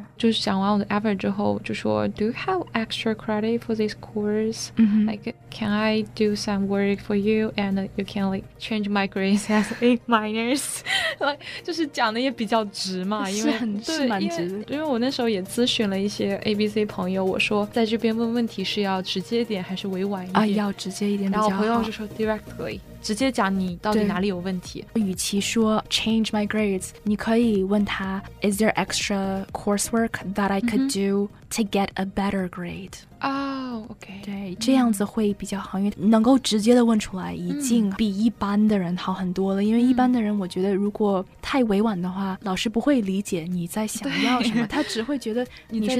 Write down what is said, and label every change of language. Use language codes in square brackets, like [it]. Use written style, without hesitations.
[zh] 就是讲完我的 effort 之后就说 [en] Do you have extra credit for this course?、Like, can I do some work for you? And you can like change my grades as A minors. [zh] 就是讲的也比较直嘛，因为是蛮直的。因为我那时候也咨询了一些 ABC 朋友，我说在这边问问题是要直接一点还是委婉一点、要直接一点比较好。然后我朋友就说 directly， 直接讲你到底哪里有问题。与其说 [en] change my grades， [zh] 你可以问他 [en] Is there extra coursework that I could do to get a better grade？ [zh] 对，这样子会比较好，因为能够直接的问出来已经比一般的人好很多了，因为一般的人我觉得如果太委婉的话，老师不会理解你在想要什么，他只会觉得你是